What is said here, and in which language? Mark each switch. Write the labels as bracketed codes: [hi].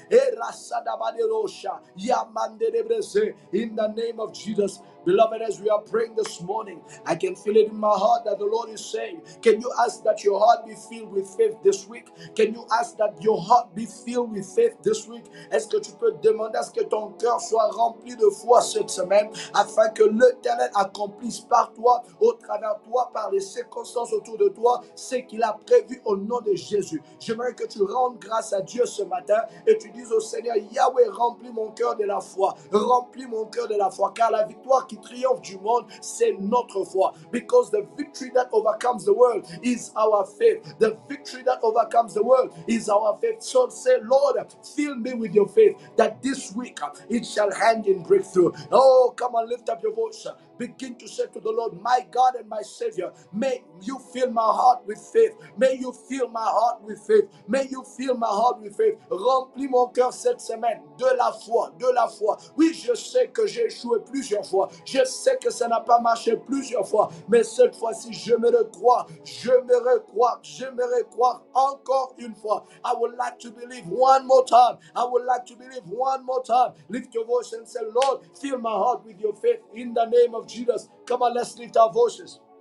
[en] In the name of Jesus, Beloved, as we are praying this morning, I can feel it in my heart that the Lord is saying, can you ask that your heart be filled with faith this week? Can you ask that your heart be filled with faith this week? [fr] Est-ce que tu peux demander à ce que ton cœur soit rempli de foi cette semaine, afin que l'Éternel accomplisse par toi, au travers toi, par les circonstances autour de toi, ce qu'il a prévu au nom de Jésus. J'aimerais que tu rendes grâce à Dieu ce matin et tu dises au Seigneur, Yahweh, remplis mon cœur de la foi. Remplis mon cœur de la foi, car la victoire qui triomphe du monde, c'est notre foi. [en] Because the victory that overcomes the world is our faith. The victory that overcomes the world is our faith. So say, Lord, fill me with your faith that this week it shall hand in breakthrough. Oh, come on, lift up your voice. Begin to say to the Lord, my God and my Savior, may you fill my heart with faith. May you fill my heart with faith. May you fill my heart with faith. [fr] Remplis mon cœur cette semaine de la foi, de la foi. Oui, je sais que j'ai échoué plusieurs fois. Je sais que ça n'a pas marché plusieurs fois. Mais cette fois-ci, je me recrois encore une fois. [en] I would like to believe one more time. I would like to believe one more time. Lift your voice and say, Lord, fill my heart with your faith in the name of Jesus. Come on, let's lift our voices.